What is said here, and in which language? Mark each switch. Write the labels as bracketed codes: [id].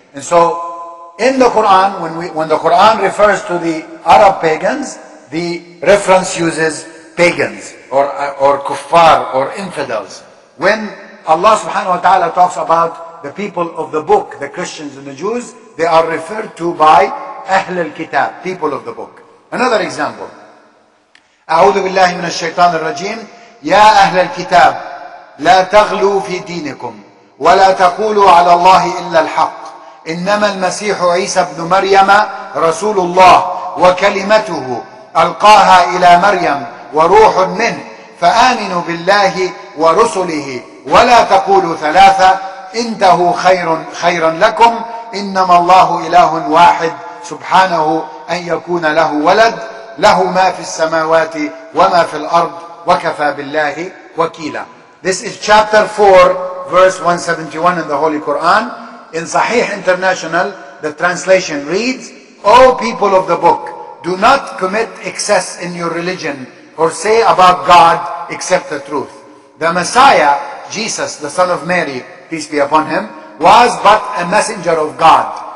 [en] And so in the Quran, when the Quran refers to the Arab pagans, the reference uses pagans or kuffar or infidels. When Allah subhanahu wa ta'ala talks about the people of the book, the Christians and the Jews, they are referred to by Ahl al-Kitab, people of the book. Another example. [ar] أعوذ بالله من الشيطان الرجيم يا أهل الكتاب لا تغلوا في دينكم ولا تقولوا على الله إلا الحق إنما المسيح عيسى بن مريم رسول الله وكلمته ألقاها إلى مريم وروح منه فآمنوا بالله ورسله ولا تقولوا ثلاثة انتهوا خيرا لكم إنما الله إله واحد سبحانه أن يكون له ولد له ما في السماوات وما في الأرض وكفى بالله وكيلا. [en] This is chapter 4 verse 171 in the Holy Quran. In Sahih International, the translation reads, O people of the book, do not commit excess in your religion or say about God except the truth. The Messiah, Jesus, the son of Mary, peace be upon him, was but a messenger of God.